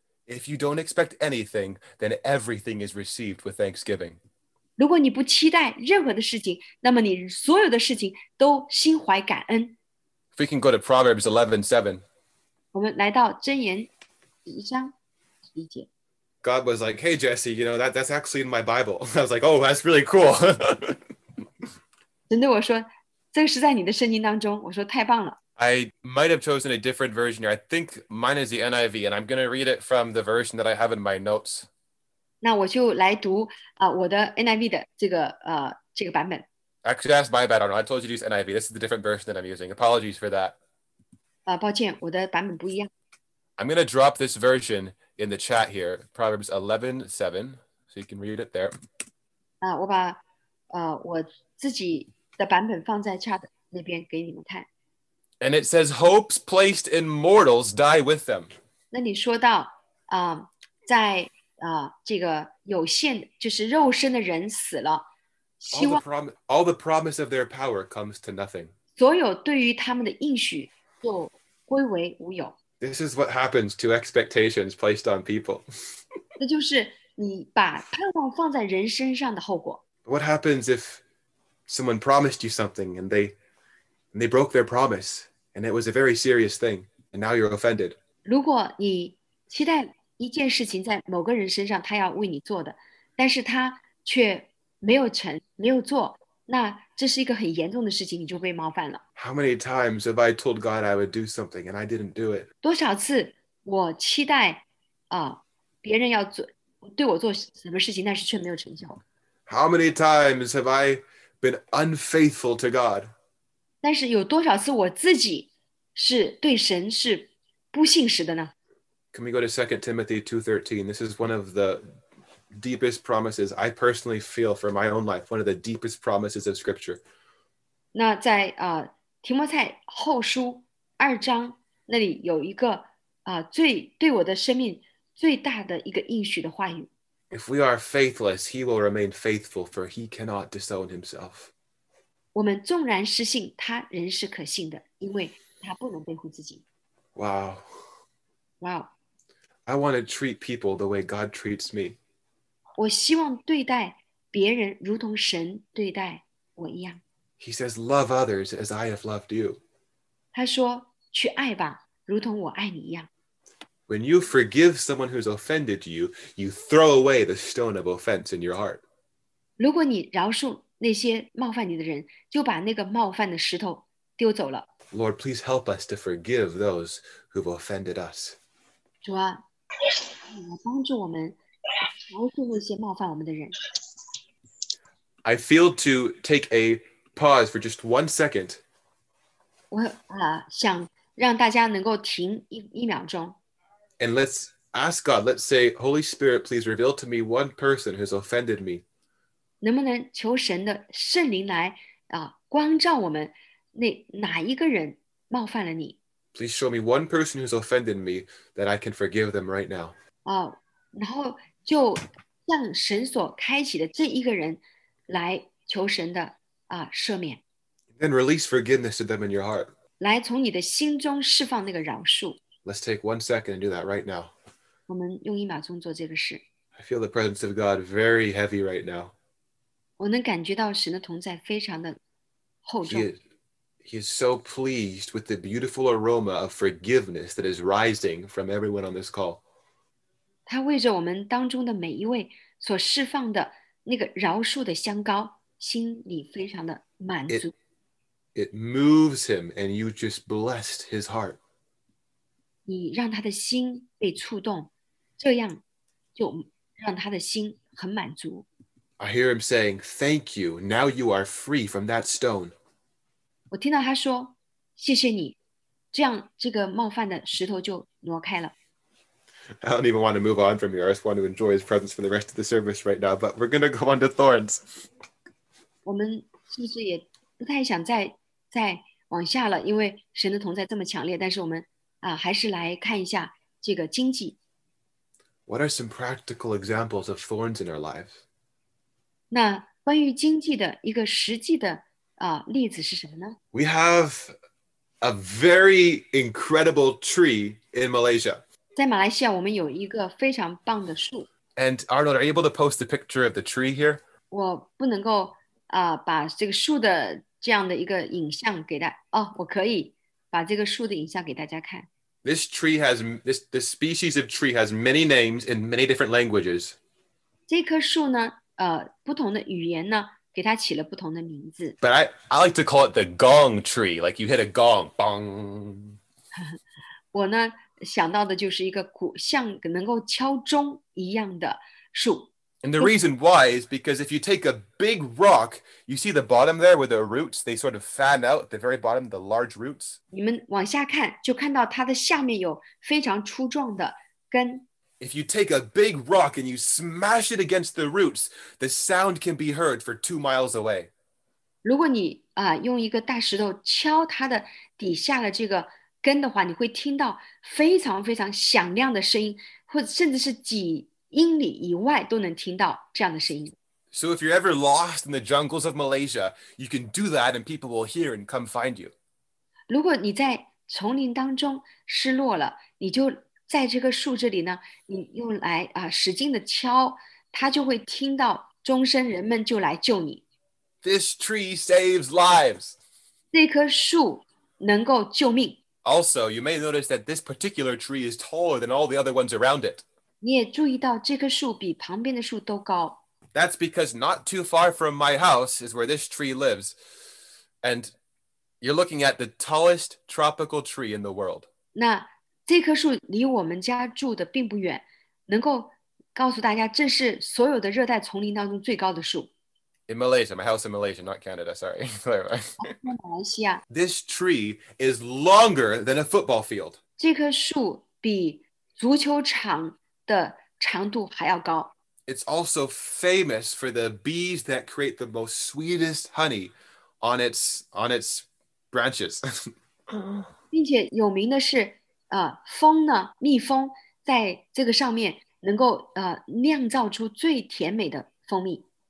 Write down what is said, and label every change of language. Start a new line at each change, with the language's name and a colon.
English: If you don't expect anything, then everything is received with thanksgiving.
Chinese: 如果你不期待任何的事情，那么你所有的事情都心怀感恩。
English: If we can go to Proverbs 11:7.
Chinese: 我们来到箴言一章十一节。
English: God was like, hey, Jesse, you know, that's actually in my Bible. I was like, oh, that's really cool.
Chinese: 神对我说，这个是在你的圣经当中。我说太棒了。
English: I might have chosen a different version here. I think mine is the NIV, and I'm going to read it from the version that I have in my notes.
Chinese: 那我就来读我的 NIV 的这个版本。
English: Actually, that's my bad. I don't know. I told you to use NIV. This is the different version that I'm using. Apologies for that.
Chinese: 抱歉，我的版本不一样。
English: I'm going to drop this version in the chat here, Proverbs 11:7, so you can read it there.
Chinese: 我把我自己的版本放在 chat 那边给你们看。
English: And it says, hopes placed in mortals die with them.
Chinese: 那你说到在这个有限，就是肉身的人死了。
English: All the promise of their power comes to nothing.
Chinese: 所有对于他们的应许就归为无有。
English: This is what happens to expectations placed on people.
Chinese: 这就是你把盼望放在人身上的后果。
English: What happens if someone promised you something and they broke their promise and it was a very serious thing and now you're offended?
Chinese: 如果你期待一件事情在某个人身上他要为你做的，但是他却没有成，没有做，那这是一个很严重的事情，你就被冒犯了。
English: How many times have I told God I would do something and I didn't do it?
Chinese: 多少次我期待别人要做，对我做什么事情，但是却没有成效。
English: How many times have I been unfaithful to God?
Chinese: 但是有多少次我自己是对神是不信实的呢？
English: Can we go to 2 Timothy 2:13? This is one of the deepest promises I personally feel for my own life, one of the deepest promises of scripture.
Chinese: 那在提摩太后书二章那里有一个最对我的生命最大的一个应许的话语。
English: If we are faithless, he will remain faithful, for he cannot disown himself.
Chinese: 我们纵然失信，他仍是可信的，因为他不能背负自己。
English: Wow. Wow. I want to treat people the way God treats me.
Chinese: 我希望对待别人如同神对待我一样。
English: He says, love others as I have loved you.
Chinese: 他说，去爱吧，如同我爱你一样。
English: When you forgive someone who's offended you, you throw away the stone of offense in your heart.
Chinese: 如果你饶恕那些冒犯你的人，就把那个冒犯的石头丢走了。
English: Lord, please help us to forgive those who've offended us.
Chinese: 主啊，帮助我们饶恕那些冒犯我们的人。
English: I feel to take a pause for just 1 second.
Chinese: 我想让大家能够停一秒钟。
English: And let's ask God, let's say, Holy Spirit, please reveal to me one person who's offended me.
Chinese: 能不能求神的圣灵来光照我们那哪一个人冒犯了你。
English: Please show me one person who's offended me that I can forgive them right now.
Chinese: 然后就向神所开启的这一个人来求神的赦免。
English: Then release forgiveness to them in your heart.
Chinese: 来从你的心中释放那个饶恕。
English: Let's take 1 second and do that right now.
Chinese: 我们用一秒钟做这个事。
English: I feel the presence of God very heavy right now.
Chinese: 我能感觉到神的同在非常的厚重。
English: He is so pleased with the beautiful aroma of forgiveness that is rising from everyone on this call.
Chinese: 他为着我们当中的每一位所释放的那个饶恕的香膏，心里非常的满足。
English: It moves him, and you just blessed his heart.
Chinese: 你让他的心被触动，这样就让他的心很满足。
English: I hear him saying, "Thank you. Now you are free from that stone."
Chinese: 我听到他说，谢谢你，这样这个冒犯的石头就挪开了。
English: I don't even want to move on from here. I just want to enjoy his presence for the rest of the service right now. But we're going to go on to thorns.
Chinese: 我们是不是也不太想再往下了？因为神的同在这么强烈，但是我们还是来看一下这个荆棘。
English: What are some practical examples of thorns in our lives?
Chinese: 那关于荆棘的一个实际的例子是什么呢？
English: We have a very incredible tree in Malaysia.
Chinese: 在马来西亚，我们有一个非常棒的树。
English: And Arnold, are you able to post the picture of the tree here?
Chinese: 我不能够把这个树的这样的一个影像给大家。我可以把这个树的影像给大家看。
English: This tree has this species of tree has many names in many different languages.
Chinese: 这棵树呢，不同的语言呢，给它起了不同的名字。
English: But I like to call it the gong tree, like you hit a gong, bang.
Chinese: 我呢？想到的就是一个鼓，像能够敲钟一样的树。
English: And the reason why is because if you take a big rock, you see the bottom there where the roots, they sort of fan out at the very bottom, the large roots.
Chinese: 你们往下看，就看到它的下面有非常粗壮的根。
English: If you take a big rock and you smash it against the roots, the sound can be heard for 2 miles away.
Chinese: 如果你用一个大石头敲它的底下的这个根的话，你会听到非常非常响亮的声音，或者甚至是几英里以外都能听到这样的声音。
English: So if you're ever lost in the jungles of Malaysia, you can do that and people will hear and come find you.
Chinese: 如果你在丛林当中失落了，你就在这个树这里呢，你用来使劲的敲，它就会听到钟声，人们就来救你。
English: This tree saves lives.
Chinese: 这棵树能够救命。
English: Also, you may notice that this particular tree is taller than all the other ones around it.
Chinese: 你也注意到这棵树比旁边的树都高。
English: That's because not too far from my house is where this tree lives. And you're looking at the tallest tropical tree in the world.
Chinese: 那这棵树离我们家住的并不远，能够告诉大家这是所有的热带丛林当中最高的树。
English: In Malaysia, my house in Malaysia, not Canada, sorry.
Chinese: 在马来西亚。
English: This tree is longer than a football field.
Chinese: 这棵树比足球场的长度还要高。
English: It's also famous for the bees that create the most sweetest honey on its branches.
Chinese: 并且有名的是，蜂呢，蜜蜂在这个上面能够酿造出最甜美的蜂蜜。